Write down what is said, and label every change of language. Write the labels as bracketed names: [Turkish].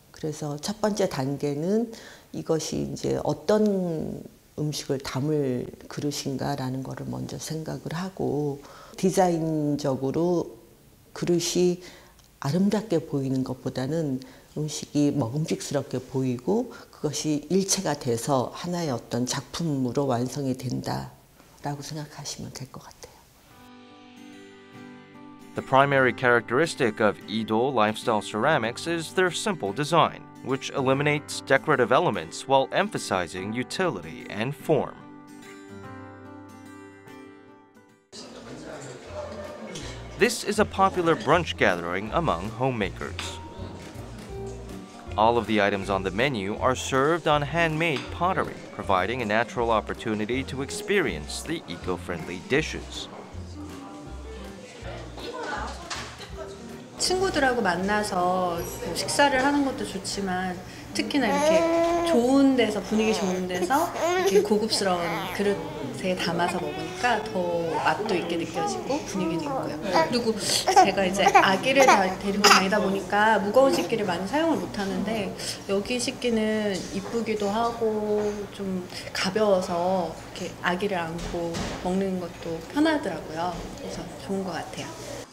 [Korean] 그래서 첫 번째 단계는 이것이 이제 어떤 음식을 담을 그릇인가라는 것을 먼저 생각을 하고 디자인적으로 그릇이 아름답게 보이는 것보다는 음식이 먹음직스럽게 보이고 그것이 일체가 돼서 하나의 어떤 작품으로 완성이 된다라고 생각하시면 될 것 같아요. [English] The primary characteristic of Edo lifestyle ceramics is their simple design, which eliminates decorative elements while emphasizing utility and form. This is a popular brunch gathering among homemakers. All of the items on the menu are served on handmade pottery, providing a natural opportunity to experience the eco-friendly dishes. [Korean] 친구들하고 만나서 식사를 하는 것도 좋지만 특히나 이렇게 좋은 데서 분위기 좋은 데서 이렇게 고급스러운 그릇에 담아서 먹으니까 더 맛도 있게 느껴지고 분위기도 있고요. 그리고 제가 이제 아기를 다 데리고 다니다 보니까 무거운 식기를 많이 사용을 못 하는데 여기 식기는 이쁘기도 하고 좀 가벼워서 이렇게 아기를 안고 먹는 것도 편하더라고요. 그래서 좋은 것 같아요.